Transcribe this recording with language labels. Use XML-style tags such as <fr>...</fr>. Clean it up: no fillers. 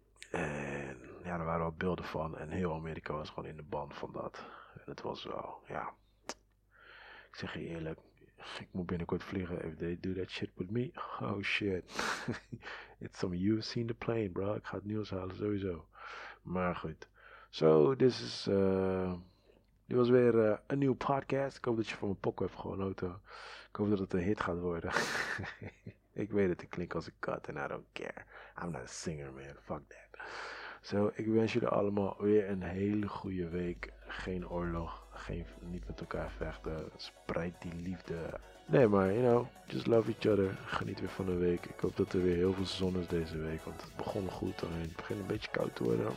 <nl>En ja, er waren wel beelden van. En heel Amerika was gewoon in de ban van dat. En het was wel, ja. Ik zeg je eerlijk, ik moet binnenkort vliegen.</nl> <en>If they do that shit with me, oh shit. It's some you've seen the plane, bro.</en> <nl>Ik ga het nieuws halen, sowieso. Maar goed.</nl> <en>So, this is...</en> <nl>Dit was weer een nieuw podcast. Ik hoop dat je van mijn pokken hebt genoten. Ik hoop dat het een hit gaat worden. Ik weet het, ik klink als een kat en</nl> <en>I don't care. I'm not a singer, man. Fuck that.</en> <nl>So, ik wens jullie allemaal weer een hele goede week. Geen oorlog. Niet met elkaar vechten. Spreid die liefde.</nl> <en>Nee, maar, you know, just love each other.</en> <nl>Geniet weer van de week. Ik hoop dat er weer heel veel zon is deze week. Want het begon goed. Alleen het begint een beetje koud te worden.</nl>